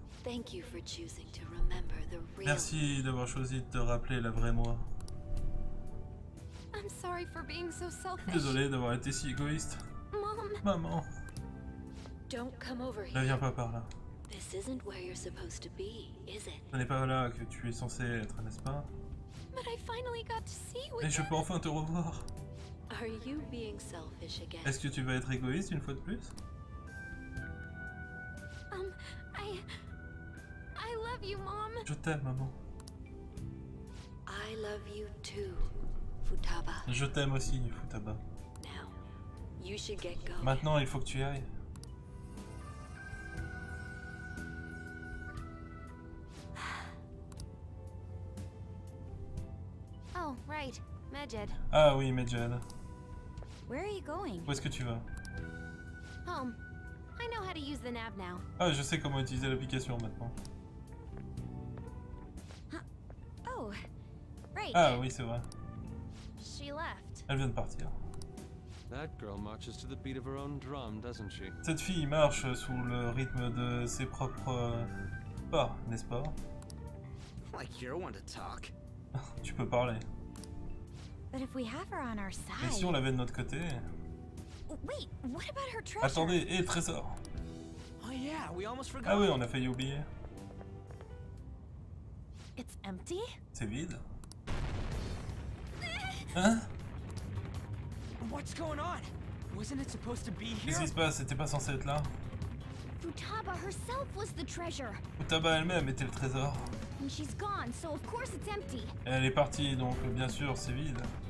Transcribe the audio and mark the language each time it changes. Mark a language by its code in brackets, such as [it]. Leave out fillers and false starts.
[en] Thank you for choosing to remember the real. [fr] Merci d'avoir choisi de te rappeler la vraie moi. [en] I'm sorry for being so selfish. [fr] Désolé d'avoir été si égoïste. Maman, [en] don't come over here. [fr] Ne viens pas par là. [en] This isn't where you're supposed to be, is it? [fr] Ce n'est pas là que tu es censé être, n'est-ce pas? [en] But I finally got to see you. [fr] Et je peux enfin te revoir. [en] Are you being selfish again? [fr] Est-ce que tu vas être égoïste une fois de plus? [en] I love you, Mom. [fr] Je t'aime, maman. [en] I love you too, Futaba. [fr] Je t'aime aussi, Futaba. [en] You should get going. [fr] Maintenant, il faut que tu y ailles. [en] Oh, right. Majed. [fr] Ah oui, Majed. [en] Where are you going? [fr] Où est-ce que tu vas? [en] Home. I know how to use the nav now. [fr] Ah, je sais comment utiliser l'application maintenant. [en] Oh, right. [fr] Ah oui, c'est vrai. [en] She left. [fr] Elle vient de partir. [en] That girl marches to the beat of her own drum, doesn't she? [fr] Cette fille marche sous le rythme de ses propres pas, n'est-ce pas? [en] Like you're one to talk. [fr] Tu peux parler. [en] But if we have her on our side. [fr] Mais si on l'avait de notre côté. [en] Wait, what about her treasure? [fr] Attendez, et le trésor? [en] Oh yeah, we almost forgot. [fr] Ah oui, on a failli oublier. [en] It's empty? [fr] C'est vide. Hein? [en] What's going on? Wasn't it supposed to be here? [fr] Qu'est-ce qui se passe? C'était pas censé être là? [en] Futaba herself was the treasure. [fr] Futaba elle-même était le trésor. [en] And she's gone, so of course it's empty. [fr] Et elle est partie, donc bien sûr c'est vide.